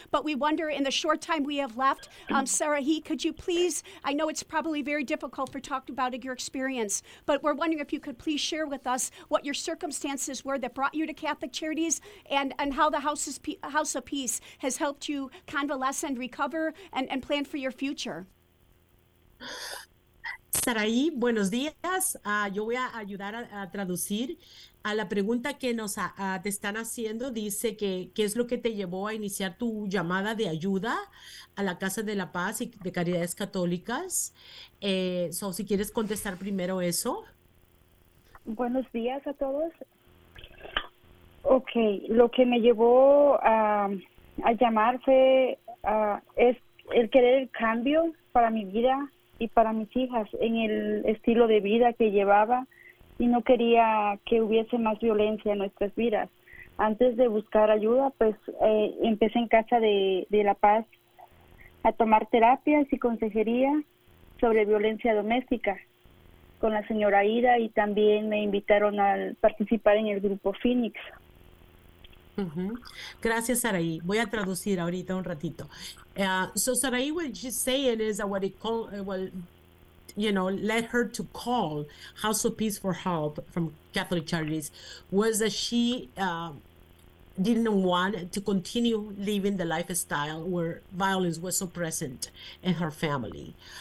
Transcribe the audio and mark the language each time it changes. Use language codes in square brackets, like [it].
[en] But we wonder, in the short time we have left, Sarah He, could you please, I know it's probably very difficult for talking about your experience, but we're wondering if you could please share with us what your circumstances were that brought you to Catholic Charities, and how the House of Peace has helped you convalesce and recover and plan for your future. [es] Sarai, buenos días. Yo voy a ayudar a traducir a la pregunta que nos te están haciendo. Dice que qué es lo que te llevó a iniciar tu llamada de ayuda a la Casa de la Paz y de Caridades Católicas. Si quieres contestar primero eso. Buenos días a todos. Okay, lo que me llevó a llamar fue es el querer el cambio para mi vida y para mis hijas en el estilo de vida que llevaba, y no quería que hubiese más violencia en nuestras vidas. Antes de buscar ayuda, pues empecé en Casa de la Paz a tomar terapias y consejería sobre violencia doméstica con la señora Ida, y también me invitaron a participar en el grupo Phoenix. Mm-hmm. Gracias, Sarai. Voy a traducir ahorita un ratito. [en] So Sarai, what she's saying is that what it called, led her to call House of Peace for help from Catholic Charities was that she didn't want to continue living the lifestyle where violence was so present in her family.